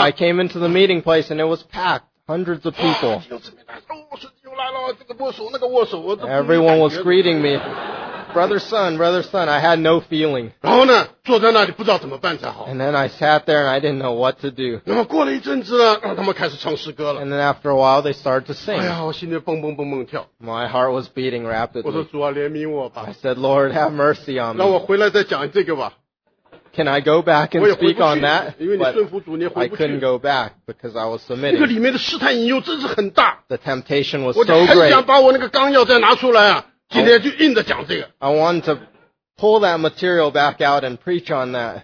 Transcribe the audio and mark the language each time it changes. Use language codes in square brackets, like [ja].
[en] I came into the meeting place and it was packed, hundreds of people. [zh] 哇,孙弟兄来了,这个握手,那个握手。 [en] Everyone was greeting me. Brother, son, I had no feeling. [zh] 然后呢,坐在那里,不知道怎么办才好。 [en] And then I sat there and I didn't know what to do. [zh] 那么过了一阵子,他们开始唱诗歌了。 [en] And then after a while, they started to sing. [zh] 哎呀,我心里蹦蹦蹦蹦跳。 [en] My heart was beating rapidly. [zh] 我说,主啊,怜悯我吧。 [en] I said, Lord, have mercy on me. [zh] 让我回来再讲这个吧。 [en] Can I go back and speak on that? [zh] 因为你顺服主,你也回不去。 [en] I couldn't go back because I was submitting. [zh] 这个里面的试探引诱真是很大。 [en] The temptation was so great. [zh] 我很想把我那个纲要再拿出来啊。今天就硬着讲这个。 [en] I wanted to pull that material back out and preach on that.